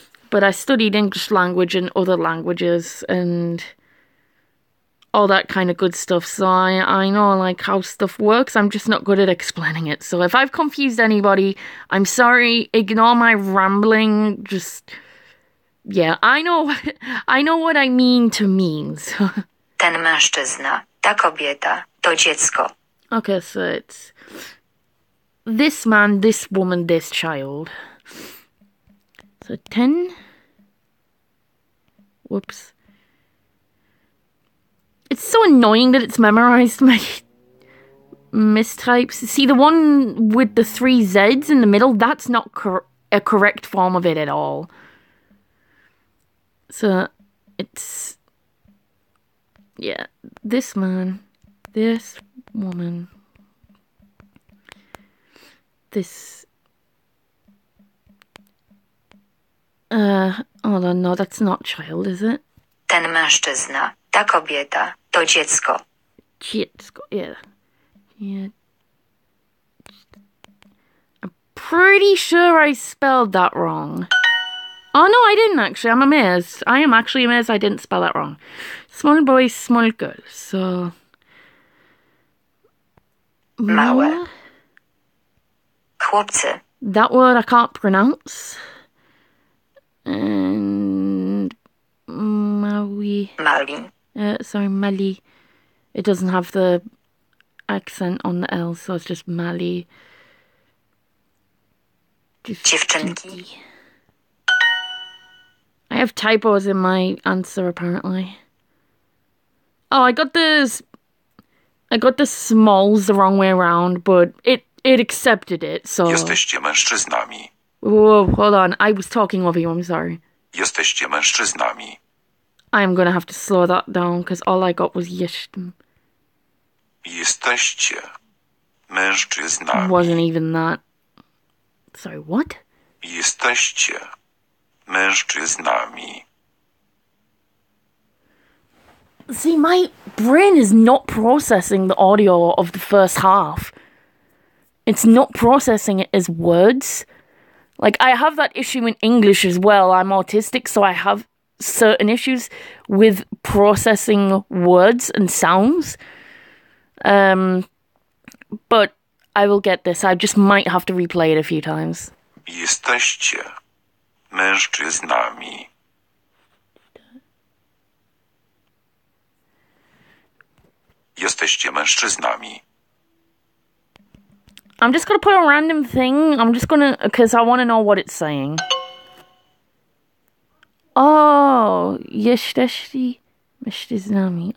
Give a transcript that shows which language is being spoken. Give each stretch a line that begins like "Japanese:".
English: But I studied English language and other languages and all that kind of good stuff. So I know like how stuff works. I'm just not good at explaining it. So if I've confused anybody, I'm sorry. Ignore my rambling. Just, yeah, I know what I mean to mean. So.
Polish: Ten mężczyzna, ta kobieta, to dziecko.
English: Okay, so it's this man, this woman, this child. So ten. Whoops. It's so annoying that it's memorized my mistypes. See, the one with the three Z's in the middle, that's not a correct form of it at all. So, it's... Yeah. This man. This woman. This... Hold on, no, that's not child, is it?
Polish: Ten mężczyzna, ta kobieta, to dziecko.
English: Dziecko, yeah. Yeah. I'm pretty sure I spelled that wrong. Oh, no, I didn't actually. I'm amazed. I am actually amazed I didn't spell that wrong. Small boy, small girl. So.
Polish: Małe. Chłopcy.
English: That word I can't pronounce. And Maui.
Polish: Mali.
English: Sorry, Mali. It doesn't have the accent on the L, so it's just Mali.
Polish: Dziewczynki.
English: I have typos in my answer, apparently. Oh, I got the smalls the wrong way around, but it accepted it, so...
Polish: Jesteście mężczyznami.
English: Whoa, hold on. I was talking over you. I'm sorry.
Polish: Jesteście mężczyznami.
English: I am going to have to slow that down because all I got was jestem.
Polish: Jesteście mężczyznami.
English: It wasn't even that. Sorry, what?
Polish: Jesteście mężczyznami.
English: See, my brain is not processing the audio of the first half. It's not processing it as words. Like, I have that issue in English as well. I'm autistic, so I have certain issues with processing words and sounds. But I will get this. I just might have to replay it a few times.
Polish: Jesteście mężczyznami. Jesteście mężczyznami.
English: I'm just going to put a random thing. I'm just going to... Because I want to know what it's saying. Oh.
Polish: Jesteście mężczyznami.